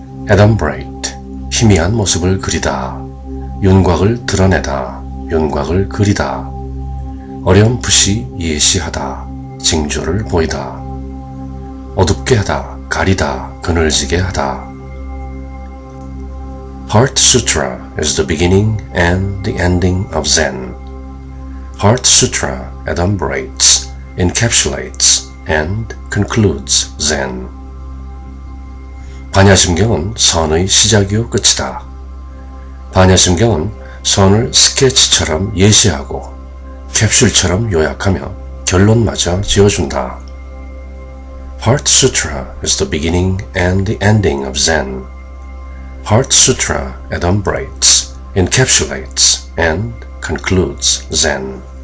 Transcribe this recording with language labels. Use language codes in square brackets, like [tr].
[ko] Adumbrate, 희미한 모습을 그리다, 윤곽을 드러내다, 윤곽을 그리다, 어렴풋이 예시하다, 징조를 보이다, 어둡게 하다, 가리다, 그늘지게 하다. [en] Heart Sutra is the beginning and the ending of Zen. Heart Sutra adumbrates, encapsulates, and concludes Zen. [ko] 반야심경은 선의 시작이요 끝이다. 반야심경은 선을 스케치처럼 예시하고 캡슐처럼 요약하며 결론마저 지어준다. [en] Heart Sutra is the beginning and the ending of Zen. Heart Sutra adumbrates, encapsulates, and concludes Zen.